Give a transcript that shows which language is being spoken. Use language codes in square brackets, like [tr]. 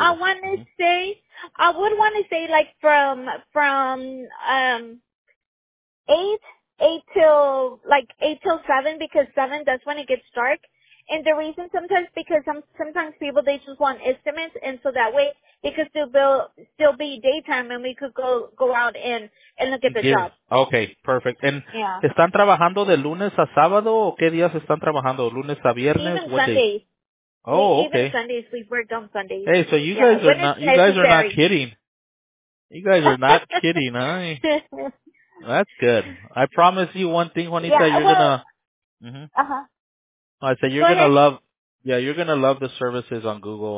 [en] I want to say, I would want to say, like, from 8 till 7, because 7, that's when it gets dark. And the reason sometimes, because sometimes people, they just want estimates, and so that way it could still be daytime, and we could go out and look at the job. Okay, perfect. And yeah. [es] ¿Están trabajando de lunes a sábado, o qué días están trabajando? ¿Lunes a viernes? [en] Even Sundays. Day? Oh, okay. Even Sundays, we work on Sundays. Hey, so you guys are not, You guys are not kidding, huh? That's good. I promise you one thing, Juanita, you're gonna... Mm-hmm. I said you're gonna love the services on Google.